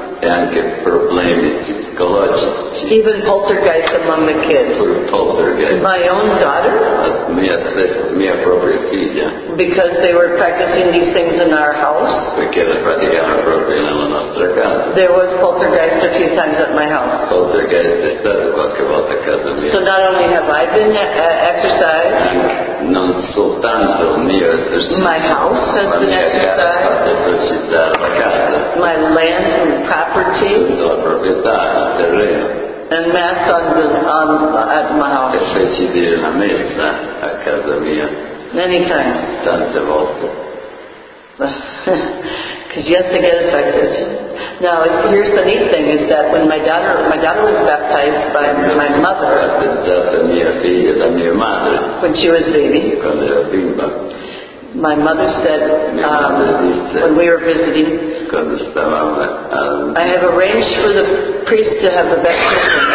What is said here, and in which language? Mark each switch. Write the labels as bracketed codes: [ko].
[it] Anche problemi psicologici. [en] Even poltergeist among the kids. Poltergeist. My own daughter. [it] Mia propria figlia. [en] Because they were practicing these things in our house. [it] Perché le praticavano proprio nella nostra casa. [en] There was poltergeist a few times at my house. [it] Poltergeist è stato qualche volta a casa mia. [en] So not only have I been exercised. [it] Non soltanto mio esercizio. [en] My house has been exercised. [it] La casa. [en] My land and property. [it] La proprietà, il terreno. [en] And mass on at my house. [it] E feci dire una messa a casa mia. [en] Many times. [it] Tante volte. [en] Because you have to get affected. Now, here's the neat thing, is that when my daughter was baptized by my mother, [it] mia figlia, da mia madre, [en] when she was baby, [it] quando era bimba, [en] My mother said, when we were visiting, I have arranged for the priest to have the baptism.